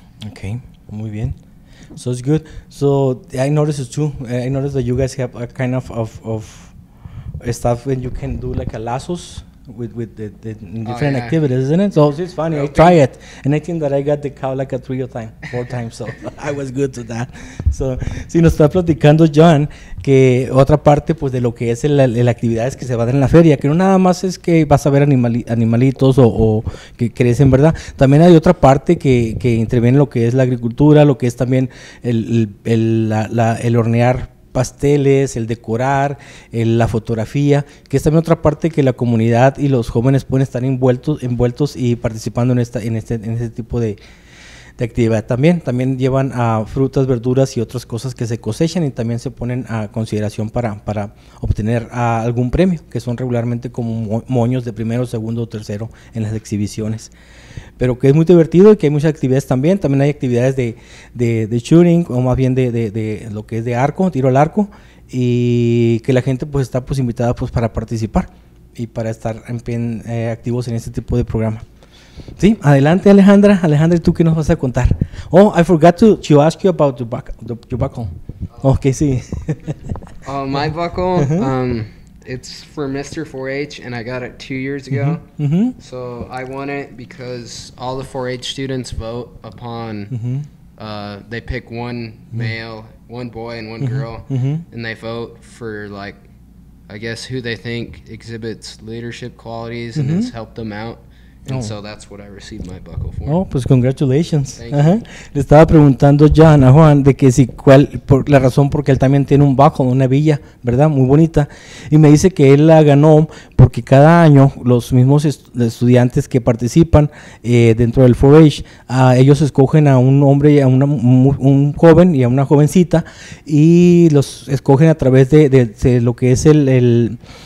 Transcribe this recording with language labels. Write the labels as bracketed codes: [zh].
[en] Okay, [es] muy bien. [en] So it's good. So I noticed it too. I noticed that you guys have a kind of stuff when you can do like a lassos with the different activities, isn't it? So it's funny. I try it, and I think that I got the cow like a 3 or 4 times. So I was good to that. [es] So si nos está platicando John que otra parte pues de lo que es la actividad es que se va a dar en la feria, que no nada más es que vas a ver animalitos o que crecen, ¿verdad? También hay otra parte que interviene lo que es la agricultura, lo que es también el hornear pasteles, el decorar, la fotografía, que es también otra parte que la comunidad y los jóvenes pueden estar envueltos y participando en este tipo de actividad. También llevan a frutas, verduras y otras cosas que se cosechan, y también se ponen a consideración para obtener algún premio, que son regularmente como moños de primero, segundo o tercero en las exhibiciones. Pero que es muy divertido y que hay muchas actividades también hay actividades de shooting, o más bien de lo que es de arco, tiro al arco, y que la gente pues está pues invitada pues para participar y para estar en bien activos en este tipo de programa. Sí, adelante Alejandra. Alejandra, ¿tú qué nos vas a contar? [en] Oh, I forgot to ask you about your buckle. Okay, sí. My buckle, it's for Mr. 4-H, and I got it 2 years ago. So I won it because all the 4-H students vote upon, they pick one male, one boy, and one girl, and they vote for, like, I guess who they think exhibits leadership qualities and has helped them out. And so that's what I received my buckle for. Oh, pues congratulations. Thank you. [es] Le estaba preguntando ya a Juan de que si cuál por la razón porque él también tiene un buckle, una hebilla, ¿verdad? Muy bonita, y me dice que él la ganó porque cada año los mismos estudiantes que participan dentro del 4-H, ellos escogen a un hombre y a un joven y a una jovencita, y los escogen a través de lo que es el